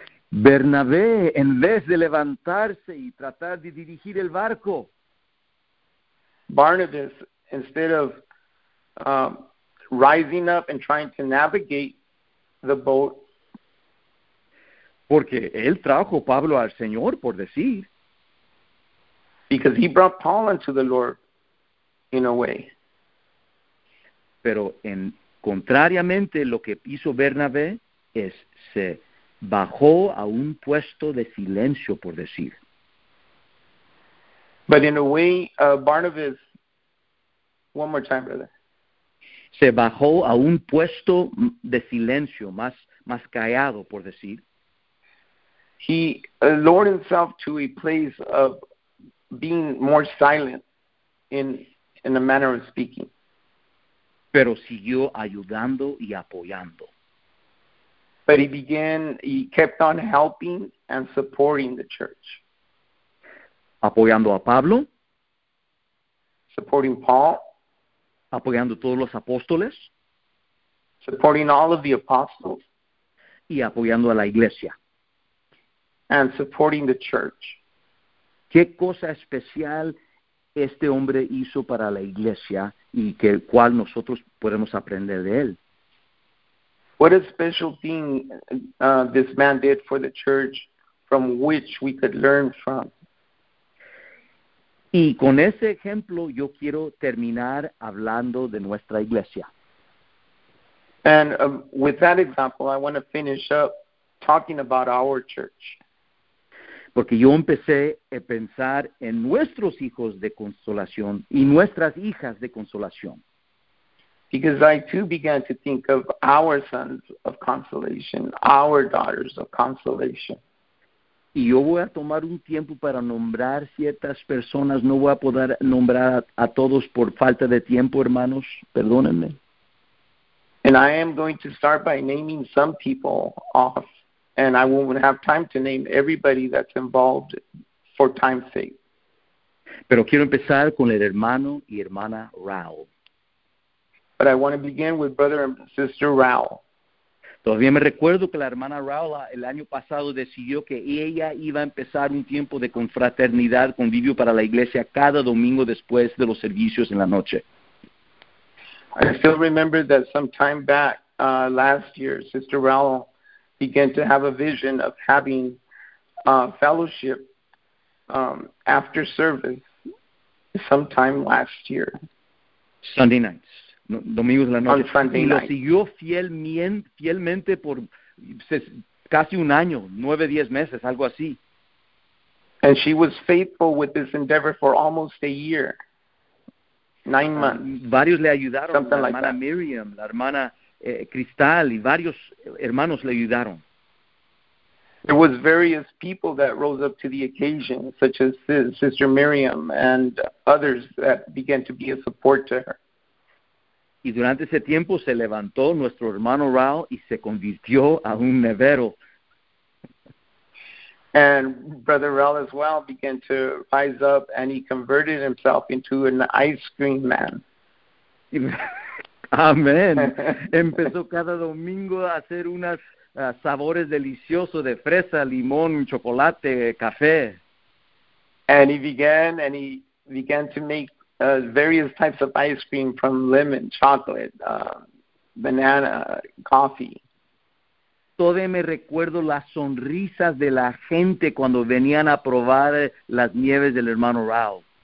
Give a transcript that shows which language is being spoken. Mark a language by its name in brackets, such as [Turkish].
[Spanish] Bernabé, en vez de levantarse y tratar de dirigir el barco, [English] Barnabas, instead of rising up and trying to navigate the boat, [Spanish] porque él trajo Pablo al Señor, por decir, [English] because he brought Paul unto the Lord in a way. [Spanish] Pero en contrariamente, lo que hizo Bernabé es se bajó a un puesto de silencio, por decir. [English] But in a way, Barnabas, one more time, brother. [Spanish] Se bajó a un puesto de silencio, más callado, por decir. [English] He lowered himself to a place of being more silent in a manner of speaking. [Spanish] Pero siguió ayudando y apoyando. [English] But he kept on helping and supporting the church. [Spanish] Apoyando a Pablo. [English] Supporting Paul. [Spanish] Apoyando todos los apóstoles. [English] Supporting all of the apostles. [Spanish] Y apoyando a la iglesia. [English] And supporting the church. [Spanish] ¿Qué cosa especial este hombre hizo para la iglesia y que el cual nosotros podemos aprender de él? [English] What a special thing this man did for the church from which we could learn from. [Spanish] Y con ese ejemplo yo quiero terminar hablando de nuestra iglesia. [English] And with that example, I want to finish up talking about our church. [Spanish] Porque yo empecé a pensar en nuestros hijos de consolación y nuestras hijas de consolación. [English] Because I too began to think of our sons of consolation, our daughters of consolation. [Spanish] Y yo voy a tomar un tiempo para nombrar ciertas personas. No voy a poder nombrar a todos por falta de tiempo, hermanos. Perdónenme. [English] And I am going to start by naming some people off. And I won't have time to name everybody that's involved for time's sake. [Spanish] Pero quiero empezar con el hermano y hermana Raúl. [English] But I want to begin with brother and sister Raúl. [Spanish] Todavía me recuerdo que la hermana Raula el año pasado decidió que ella iba a empezar un tiempo de confraternidad, convivio para la iglesia cada domingo después de los servicios en la noche. [English] I still remember that some time back, last year, Sister Raula began to have a vision of having fellowship after service sometime last year. Sunday nights. [Spanish] Domingos de la noche. [English] On Sunday [Spanish] y lo siguió fielmente por casi un año, 9-10 meses, algo así. [English] And she was faithful with this endeavor for almost a year, 9 months. [Spanish] Varios le ayudaron, [English] something [Spanish] la hermana [English] like [Spanish] Miriam, la hermana Cristal y varios hermanos le ayudaron. [English] There was various people that rose up to the occasion, such as Sister Miriam and others that began to be a support to her. [Spanish] Y durante ese tiempo se levantó nuestro hermano Rao y se convirtió a un nevero. [English] And Brother Rao as well began to rise up and he converted himself into an ice cream man. [Spanish] Amén. Empezó cada domingo a hacer unos sabores deliciosos de fresa, limón, chocolate, café. [English] And he began to make various types of ice cream from lemon, chocolate, banana, coffee. [Spanish] Todavía me recuerdo las sonrisas de la gente cuando venían a probar las nieves del hermano Rao.